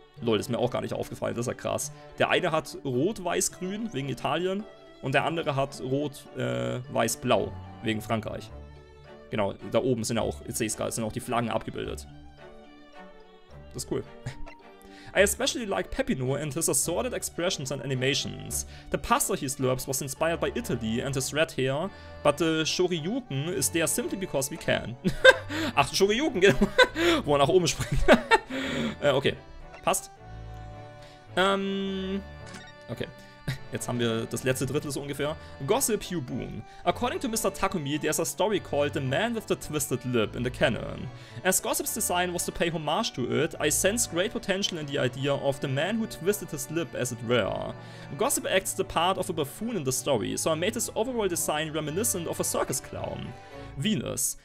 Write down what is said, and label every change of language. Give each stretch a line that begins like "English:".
German: Lol, ist mir auch gar nicht aufgefallen, das ist ja krass. Der eine hat rot-weiß-grün wegen Italien und der andere hat rot-weiß-blau wegen Frankreich. Genau, da oben sind ja auch, jetzt sehe ich es gerade, sind auch die Flaggen abgebildet. Das ist cool.
English: I especially like Peppino and his assorted expressions and animations. The pasta he slurps was inspired by Italy and his red hair, but the Shoryuken is there simply because we can.
German: Ach, Shoryuken, genau. Wo er nach oben springt. okay, passt. Okay. Jetzt haben wir das letzte Drittel so ungefähr.
English: Gossip Hugh Boone. According to Mr. Takumi, there's a story called The Man with the Twisted Lip in the canon. As Gossip's design was to pay homage to it, I sense great potential in the idea of the man who twisted his lip, as it were. Gossip acts the part of a buffoon in the story, so I made his overall design reminiscent of a circus clown. Venus.